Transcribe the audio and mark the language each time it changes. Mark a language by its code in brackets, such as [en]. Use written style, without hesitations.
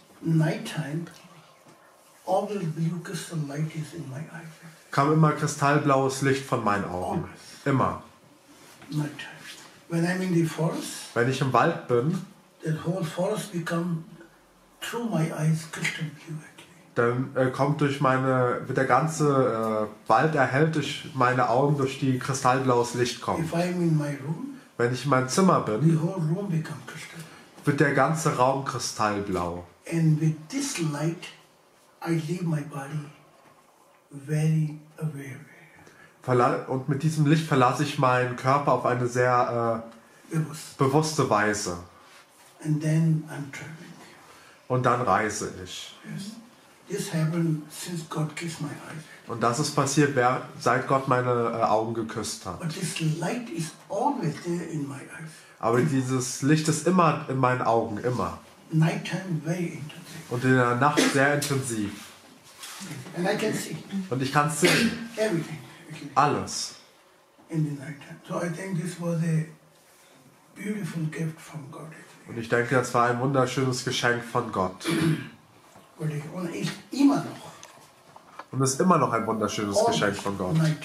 [en] nighttime, all the blue crystal light is in my eyes. [de] Kam immer kristallblaues Licht von meinen Augen. Always. Immer. [en] Nighttime. When I'm in the forest, [de] wenn ich im Wald bin, [en] the whole forest become through my eyes crystal blue. [de] Dann kommt durch meine, wird der ganze Wald erhellt durch meine Augen, durch die kristallblaues Licht kommt. [en] If I'm in my room, [de] wenn ich in meinem Zimmer bin, [en] the whole room become crystal. [de] Wird der ganze Raum kristallblau. [en] And with this light, I leave my body very aware. [de] Und mit diesem Licht verlasse ich meinen Körper auf eine sehr bewusste Weise. [en] And then I'm traveling. [de] Und dann reise ich. [en] Yes. This happened since God kissed my eyes. [de] Und das ist passiert, seit Gott meine Augen geküsst hat. [en] But this light is always there in my eyes. [de] Aber dieses Licht ist immer in meinen Augen, immer. [en] Nighttime very intensive. [de] Und in der Nacht sehr intensiv. [en] And I can see. [de] Und ich kann sehen. [en] Everything. [de] Alles. [en] In the nighttime. So I think this was a beautiful gift from God. [de] Und ich denke, das war ein wunderschönes Geschenk von Gott. Und es ist immer noch ein wunderschönes Geschenk von Gott.